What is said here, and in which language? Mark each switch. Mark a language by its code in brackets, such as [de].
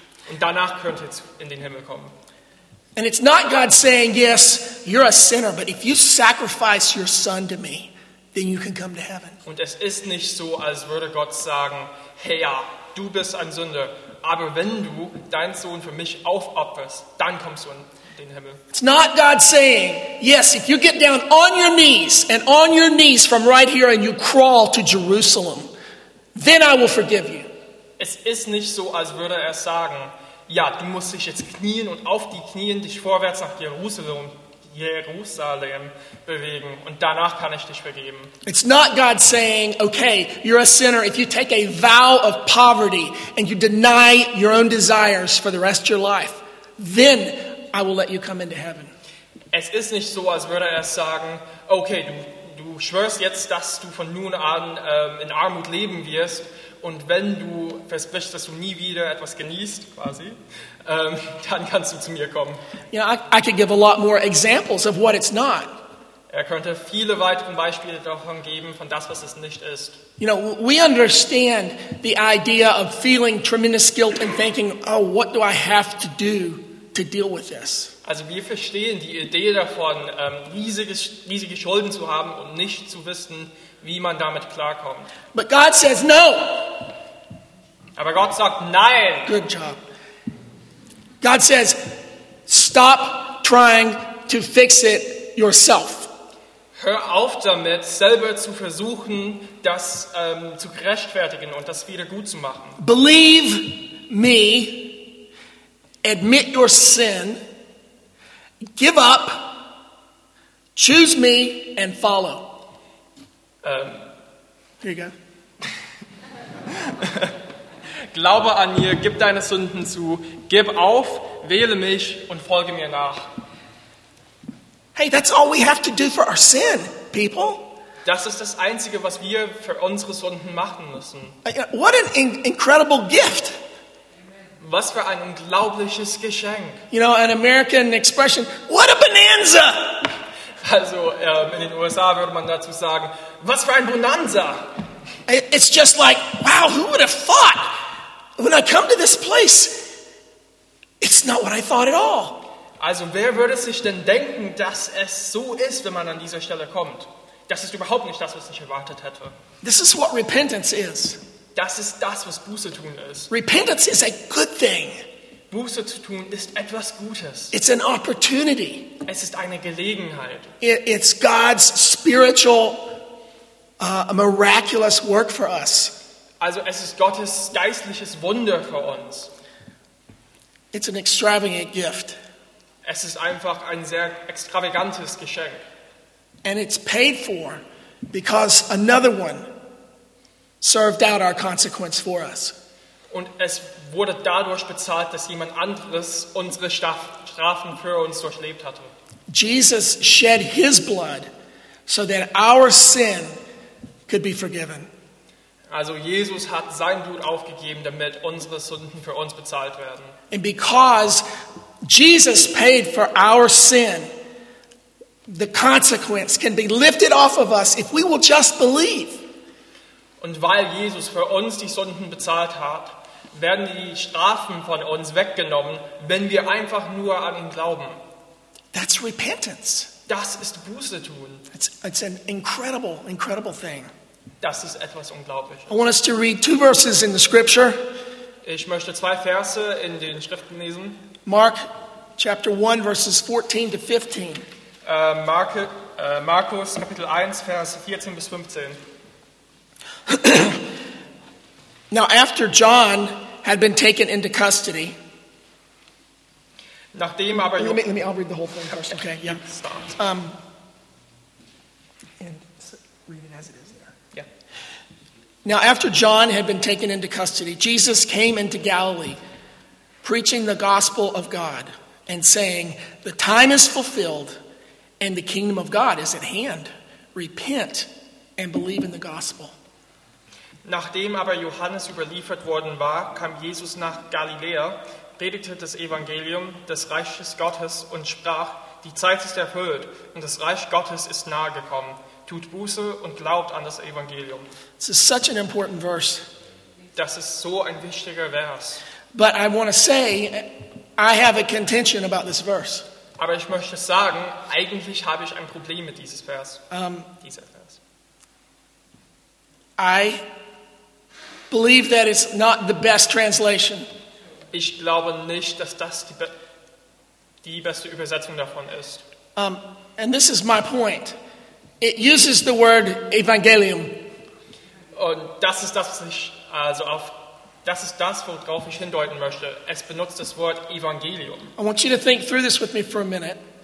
[de] Und danach könnt ihr in den Himmel kommen. [en] And it's not God saying, yes, you're a sinner, but if you sacrifice your son to me, then you can come to heaven. [de] Und es ist nicht so, als würde Gott sagen, hey, ja, du bist ein Sünder, aber wenn du deinen Sohn für mich aufopferst, dann kommst du in den Himmel. [en] It's not God saying, yes, if you get down on your knees and on your knees from right here and you crawl to Jerusalem, then I will forgive you. [de] Es ist nicht so, als würde er sagen, ja, du musst dich jetzt knien und auf die Knien dich vorwärts nach Jerusalem bewegen und danach kann ich dich vergeben. [en] It's not God saying, okay, you're a sinner if you take a vow of poverty and you deny your own desires for the rest of your life, then I will let you come into heaven. [de] Es ist nicht so, als würde er sagen, okay, du schwörst jetzt, dass du von nun an in Armut leben wirst. Und wenn du versprichst, dass du nie wieder etwas genießt, quasi, dann kannst du zu mir kommen. [en] Yeah, I could give a lot more examples of what it's not. [de] Er könnte viele weitere Beispiele davon geben, von das, was es nicht ist. [en] You know, we understand the idea of feeling tremendous guilt and thinking, oh, what do I have to do to deal with this? [de] Also wir verstehen die Idee davon, riesige Schulden zu haben und nicht zu wissen, wie man damit klarkommt. [en] But God says no. [de] Aber Gott sagt nein. [en] Good job. God says stop trying to fix it yourself. [de] Hör auf damit, selber zu versuchen, das zu rechtfertigen und das wieder gut zu machen. [en] Believe me. Admit your sin. Give up. Choose me and follow. Here you go. [de] Glaube an mir, gib deine Sünden zu, gib auf, wähle mich und folge mir nach. [en] Hey, that's all we have to do for our sin, people. [de] Das ist das Einzige, was wir für unsere Sünden machen müssen. [en] What an incredible gift. [de] Was für ein unglaubliches Geschenk. [en] You know, an American expression, what a bonanza. [de] Also in den USA würde man dazu sagen, was für ein Bonanza. [en] It's just like, wow, who would have thought? When I come to this place, it's not what I thought at all. [de] Also wer würde sich denn denken, dass es so ist, wenn man an dieser Stelle kommt? Das ist überhaupt nicht das, was ich erwartet hätte. [en] This is what repentance is. [de] Das ist das, was Buße tun ist. [en] Repentance is a good thing. [de] Buße zu tun ist etwas Gutes. [en] It's an opportunity. [de] Es ist eine Gelegenheit. [en] It's God's spiritual a miraculous work for us. [de] Also es ist Gottes geistliches Wunder für uns. [en] It's an extravagant gift. [de] Es ist einfach ein sehr extravagantes Geschenk. [en] And it's paid for because another one served out our consequence for us. [de] Und es wurde dadurch bezahlt, dass jemand anderes unsere Strafen für uns durchlebt hatte. [en] Jesus shed his blood so that our sin could be forgiven. [de] Also Jesus hat sein Blut aufgegeben, damit unsere Sünden für uns bezahlt werden. [en] And because Jesus paid for our sin, the consequence can be lifted off of us if we will just believe. [de] Und weil Jesus für uns die Sünden bezahlt hat, werden die Strafen von uns weggenommen, wenn wir einfach nur an ihn glauben. [en] That's repentance. [de] Das ist Buße tun. [en] It's an incredible, incredible thing. [de] Das ist etwas Unglaubliches. [en] I want us to read two verses in the scripture. [de] Ich möchte zwei Verse in den Schriften lesen. [en] Mark chapter 1, verses 14 to 15. [de] Markus, Kapitel 1, Vers 14 bis 15. [en] Now, after John had been taken into custody, [de] nachdem aber [en] let me, I'll read the whole thing first, okay? Yeah. Stop. And read it as it is there. Yeah. Now, after John had been taken into custody, Jesus came into Galilee, preaching the gospel of God and saying, "The time is fulfilled and the kingdom of God is at hand. Repent and believe in the gospel." [de] Nachdem aber Johannes überliefert worden war, kam Jesus nach Galiläa, predigte das Evangelium des Reiches Gottes und sprach: "Die Zeit ist erfüllt und das Reich Gottes ist nahe gekommen. Tut Buße und glaubt an das Evangelium." [en] This is such an important verse. [de] Das ist so ein wichtiger Vers. [en] But I want to say, I have a contention about this verse. [de] Aber ich möchte sagen, eigentlich habe ich ein Problem mit diesem Vers. [en] I believe that it's not the best translation. [de] Ich glaube nicht, dass das die beste Übersetzung davon ist. [en] And this is my point. It uses the word evangelium. [de] Und das ist das, was ich also auf das ist das, worauf ich hindeuten möchte. Es benutzt das Wort evangelium. [en] I want you to think through this with me for a minute.